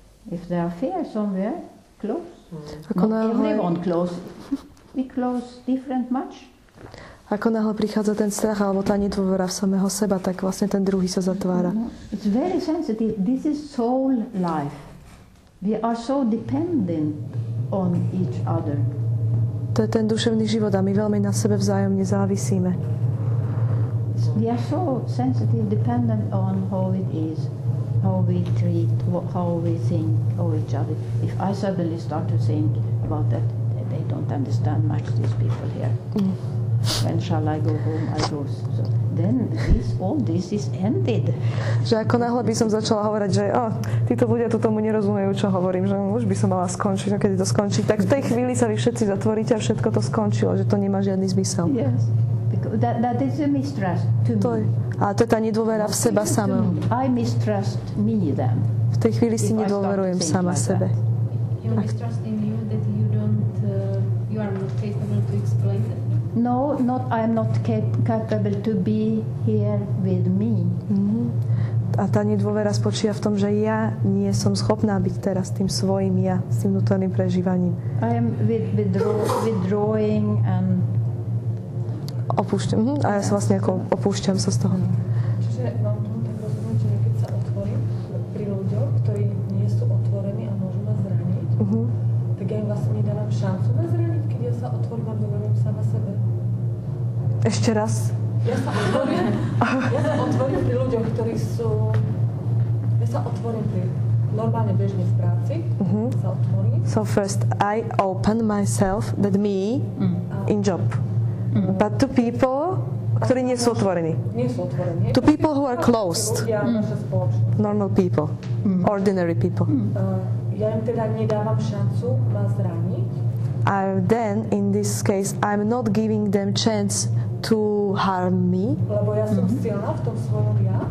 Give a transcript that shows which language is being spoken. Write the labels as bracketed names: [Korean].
[English] If there are fear somewhere, close. [Slovak] Ako náhle... [English] Everyone close. We close different much. [Slovak] Ako náhle prichádza ten strach alebo tá nedôvera v samého seba, tak vlastne ten druhý sa zatvára. [English] It's very sensitive. This is soul life. We are so dependent on each other. [Slovak] To je ten duševný život a my veľmi na sebe vzájomne závisíme. [English] We are so sensitive, dependent on how it is. How we treat, how we think of each other. If I suddenly start to think about that, they don't understand much, these people here. Mm. When shall I go home? I go. So then all this is ended. [Slovak] Že ako náhle by som začala hovoriť, že títo ľudia tu tomu nerozumejú, čo hovorím, že už by som mala skončiť, no kedy to skončí. Tak v tej chvíli sa vy všetci zatvoríte a všetko to skončilo, že to nemá žiadny zmysel. [English] Yes. That is a mistrust to me. [Slovak] To je, a to je tá nedôvera v seba sama. [English] I mistrust me then. [Slovak] V tej chvíli si nedôverujem sama like sebe. [English] You mistrust in you that you don't, you are not capable to explain it? No, not, I am not capable to be here with me. Mm-hmm. [Slovak] A tá nedôvera spočíva v tom, že ja nie som schopná byť teraz tým svojim ja, s tým vnútorným prežívaním. [English] I am withdrawing and... [Slovak] Opúšťam. A ja sa vlastne ako opúšťam sa z toho. Čiže mám tu tak rozhodnúť, že keď sa otvorím pri ľuďoch, ktorí nie sú otvorení a môžu ma zraniť, tak ja im vlastne nedávam šancu ma zraniť, keď ja sa otvorím a dovolím sama sebe. Ešte raz. Ja sa otvorím pri ľuďoch, ktorí sú... Ja sa otvorím pri... Normálne bežne v práci. [English] So first, I open myself, that me, in job. But to people, [Slovak] ktorí nie sú otvorení. Nie sú otvorení. [English] To people who are closed. Normal people. Ordinary people. [Slovak] Ja im teda nedávam šancu ma zraniť. [English] Then, in this case, I'm not giving them chance to harm me. [Slovak] Lebo ja som silná v tom svojom ja.